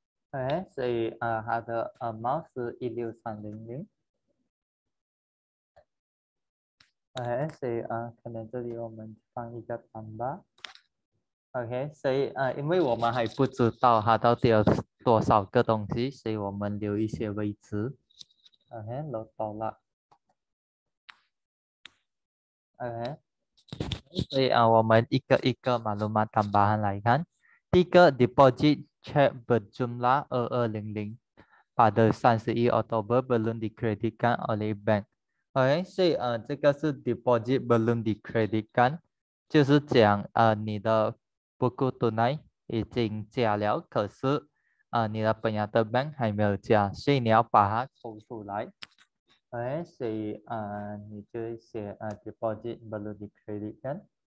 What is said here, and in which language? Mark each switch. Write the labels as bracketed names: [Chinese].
[Chinese] 哎，所以它的mouse 16300，哎，所以可能这里我们放一个单吧，OK，所以因为我们还不知道它到底有多少个东西，所以我们留一些位置。 OK，都到了，OK。所以我们一个一个 [Malay] maklumat tambahan [Chinese] 来看。 [Malay] 第一个 deposit check berjumlah 2200 pada 31 Oktober belum dikreditkan oleh bank. [Chinese] OK，所以这个是 [Malay] deposit belum dikreditkan， [Chinese] 就是讲你的 [Malay] buku tunai [Chinese] 已经加了，可是你的 [Malay] penyata bank [Chinese] 还没有加，所以你要把它抽出来。哎，所以你就写 [Malay] deposit belum dikreditkan。